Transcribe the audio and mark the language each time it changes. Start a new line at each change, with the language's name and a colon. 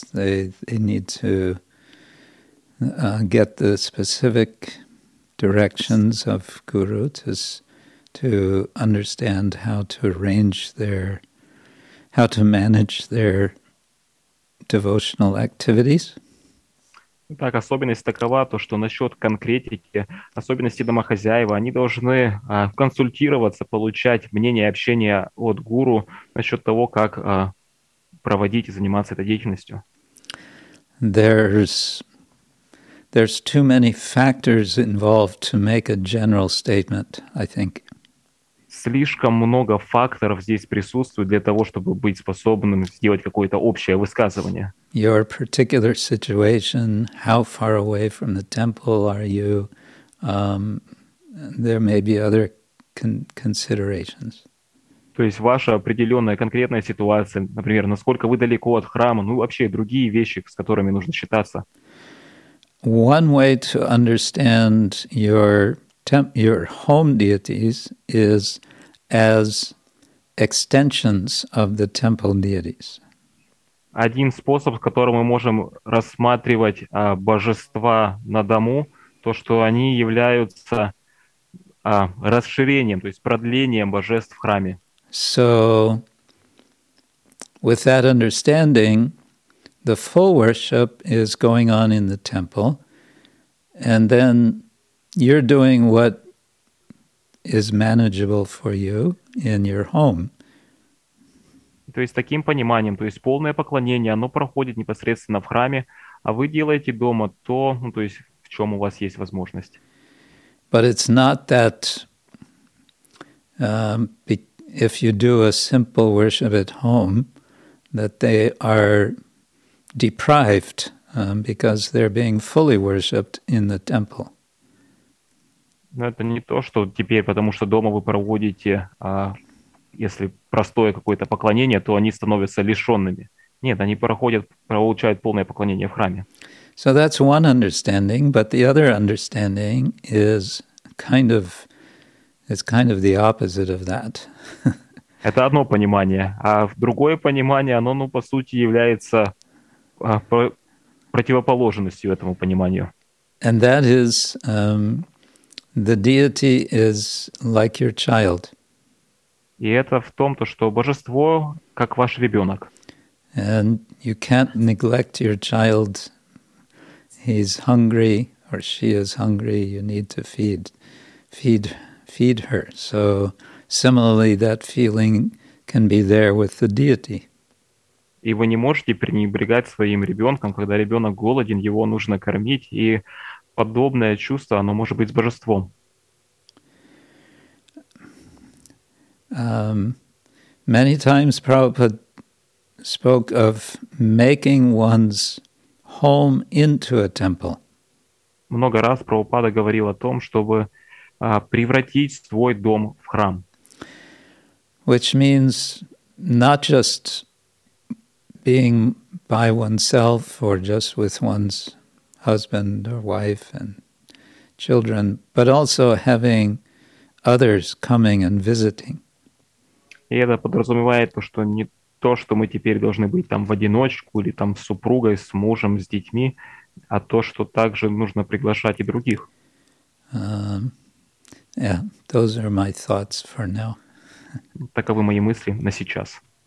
English: They need to get the specific directions of guru to understand how to arrange their, how to manage their devotional activities.
Russian: Так, особенность такова, то что насчет конкретики, особенности домохозяева, они должны консультироваться, получать мнение и общение от гуру насчет того, как проводить и заниматься этой деятельностью.
English: There's too many factors involved to make a general statement, I think.
Russian: Слишком много факторов здесь присутствует для того, чтобы быть способным сделать какое-то общее высказывание.
English: Your particular situation, how far away from the temple are you? There may be other considerations.
Russian: То есть ваша определенная конкретная ситуация, например, насколько вы далеко от храма, ну вообще другие вещи, с которыми нужно считаться.
English: One way to understand your home deities is as extensions of the temple deities.
Russian: Один способ, с которым мы можем рассматривать божества на дому, то, что они являются расширением, то есть продлением божеств в храме.
English: So, with that understanding, the full worship is going on in the temple, and then you're doing what is manageable for you in your home.
Russian: То есть таким пониманием, то есть полное поклонение, оно проходит непосредственно в храме, а вы делаете дома то, ну, то есть в чем у вас есть возможность.
English: But it's not that if you do a simple worship at home, that they are deprived because they're being fully worshipped in the temple.
Russian: Но это не то, что теперь, потому что дома вы проводите, если простое какое-то поклонение, то они становятся лишенными. Нет, они проходят, получают полное поклонение в храме.
English: So that's one understanding, but the other understanding is kind of, it's kind of the opposite of that.
Russian: Это одно понимание, а другое понимание, оно, ну, по сути, является противоположностью этому пониманию.
English: And that is, the deity is like your child.
Russian: И это в том, то, что божество как ваш ребенок.
English: And you can't neglect your child. He's hungry or she is hungry. You need to feed her. So similarly, that feeling can be there with the deity.
Russian: И вы не можете пренебрегать своим ребенком, когда ребенок голоден, его нужно кормить, и подобное чувство, оно может быть с божеством.
English: Many times Prabhupada spoke of making one's home into a temple.
Russian: Много раз Прабхупада говорил о том, чтобы превратить свой дом в храм.
English: Which means not just being by oneself or just with one's husband or wife and children, but also having others coming and visiting.
Russian: И это подразумевает то, что не то, что мы теперь должны быть там в одиночку или там с супругой, с мужем, с детьми, а то, что также нужно приглашать и других.
English: Yeah, those are my thoughts for now.
Russian: Таковы мои мысли на сейчас.